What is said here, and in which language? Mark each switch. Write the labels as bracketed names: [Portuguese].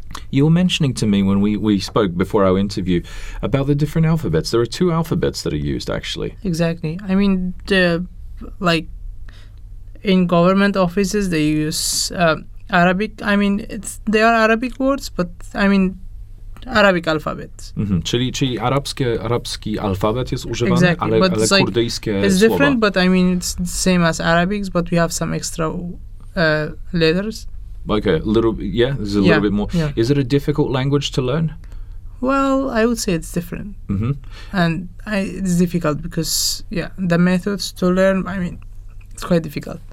[English] You were mentioning to me when we spoke before our interview about the different alphabets. There are two alphabets that are used, actually. Exactly. I mean, in government offices, they use Arabic. I mean, they are Arabic words, but I mean, Arabic alphabet. Mm-hmm. [Polish] Czyli arabski alphabet jest używany, [English] exactly. [Polish] ale kurdyjskie [English] słowa. It's different, but I mean, it's the same as Arabic, but we have some extra letters. Okay, little bit more. Yeah. Is it a difficult language to learn? Well, I would say it's different. Mm-hmm. And it's difficult because, the methods to learn, I mean, it's quite difficult.